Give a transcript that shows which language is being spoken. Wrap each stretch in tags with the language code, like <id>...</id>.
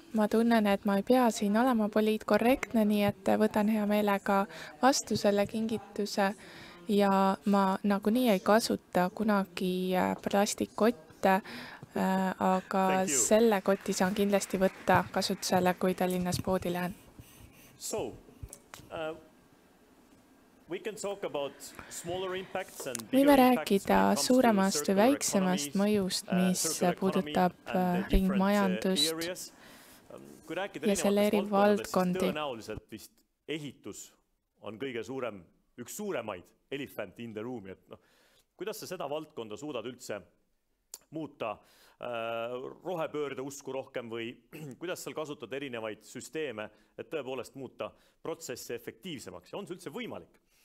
<et>Ma tunnen, et ma ei pea siin olema poliitkorrektne, nii et võtan hea meelega vastusele kingituse ja ma nagu nii ei kasuta kunagi plastikkotte, aga selle kotti saan kindlasti võtta kasutusele, kui Tallinnas poodi lähen.</et> <en>So, we can talk about smaller impacts and</en> <et>võime rääkida suuremast või väiksemast mõjust, mis puudutab ringmajandust. Ja selle eri valdkondi. Tõenäoliselt vist ehitus on kõige suurem, üks suuremaid</et> <en>elephant in the room.</en> <et>Et kuidas sa seda valdkonda suudad üldse muuta rohepöörde usku rohkem või kuidas sa kasutad erinevaid süsteeme, et tõepoolest muuta protsesse efektiivsemaks? Ja on see üldse võimalik?</et>